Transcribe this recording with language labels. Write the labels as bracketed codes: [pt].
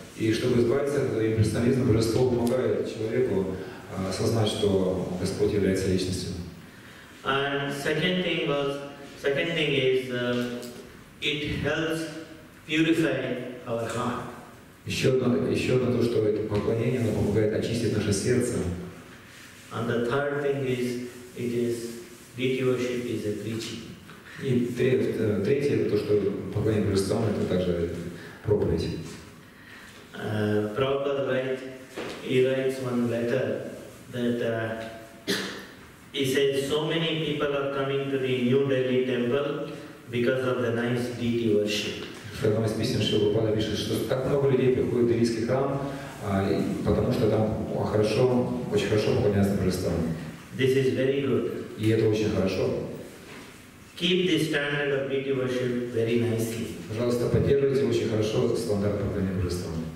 [ru] И чтобы избавиться от имперсонализма, Божество помогает человеку осознать, что Господь является личностью. [en] And second thing is it helps purify our heart. [ru] Еще одно то, что это поклонение, оно помогает очистить наше сердце. [en] And the third thing is, it is deity worship is a preaching. [ru] И третье то, что поклонение Христом, это также проповедь. [en] Prabhupada writes one letter that he says so many people are coming to the New Delhi temple because of the nice deity worship. [ru] В одном из писем Шрила Прабхупада пишет, что так много людей приходит в Делийский храм, потому что там очень хорошо поклоняется Божествам. [en] This is very good. [ru] И это очень хорошо. [en] Keep the standard of deity worship very nicely. [ru] Пожалуйста, поддерживайте очень хорошо стандарт поклонения Божествам.